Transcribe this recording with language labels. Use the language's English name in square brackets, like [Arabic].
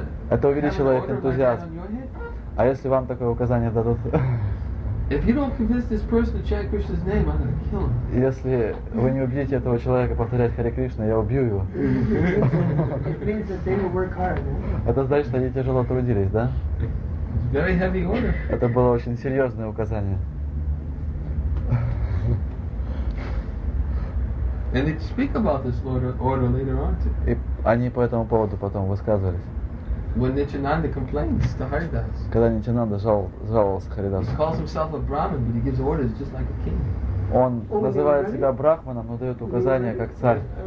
[Russian] Это увеличило их энтузиазм. А если вам такое указание дадут? [English] If you don't convince this person to chant Krishna's name, I'm gonna kill him. [Russian] Если вы не убедите этого человека повторять Харе Кришна, я убью его. [English] It means that they will work hard. [Russian] Это значит, что они тяжело трудились, да? [English] Very heavy order. [Russian] Это было очень серьезное указание. [English] And they speak about this order later on. [Russian] И они по этому поводу потом высказывались. [English] When Nityananda complains to Haridas, [Russian] когда Нитянанда жаловался Харидасу, [English] he calls himself a Brahmin, but he gives orders just like a king. [Russian] Он называет себя брахманом, но дает указания как царь.